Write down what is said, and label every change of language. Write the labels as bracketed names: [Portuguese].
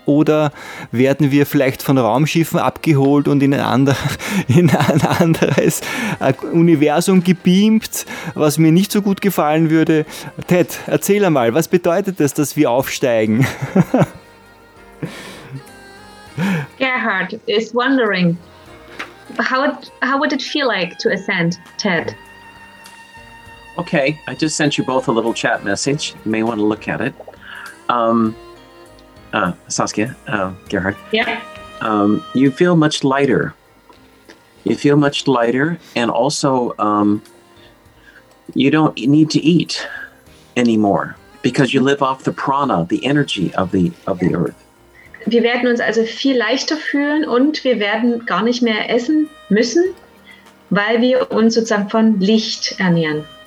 [German] Oder werden wir vielleicht von Raumschiffen abgeholt und in ein anderes Universum gebeamt, was mir nicht so gut gefallen würde? Ted, erzähl einmal, was bedeutet das, dass wir aufsteigen? [English] Gerhard is wondering, how would it feel like to ascend, Ted? Okay, I just sent you both a little chat message. You may want to look at it. Saskia, Gerhard. Yeah. You feel much lighter. You feel much lighter, and also you don't need to eat anymore, because you live off the prana, the energy of the earth. [German] Wir werden uns also viel leichter fühlen und wir werden gar nicht mehr essen müssen, weil wir uns sozusagen von Licht ernähren.